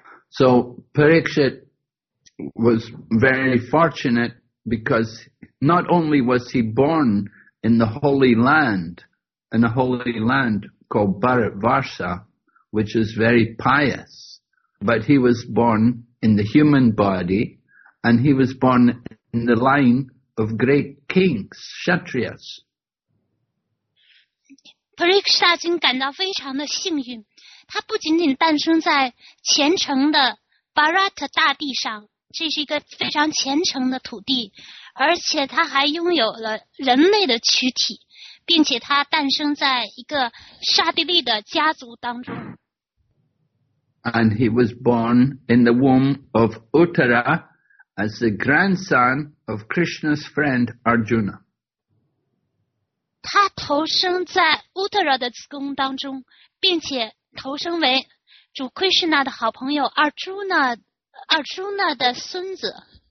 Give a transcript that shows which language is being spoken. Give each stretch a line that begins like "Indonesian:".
English: So Parikshit was very fortunate because not only was he born in the holy land, in a holy land called Bharatvarsha, which is very pious,But he was born in the human body, and he was born in the line of great kings, Kshatriyas.
Chinese: Parikshit 大君感到非常的幸运，他不仅仅诞生在虔诚的 Bharat 大地上，这是一个非常虔诚的土地，而且他还拥有了人类的躯体，并且他诞生在一个刹帝利的家族当中。
English: And he was born in the womb of Uttara as the grandson of Krishna's friend Arjuna.
Chinese: 他投生在 Uttara 的子宫当中，并且投生为主 Krishna 的好朋友 Arjuna 的孙子。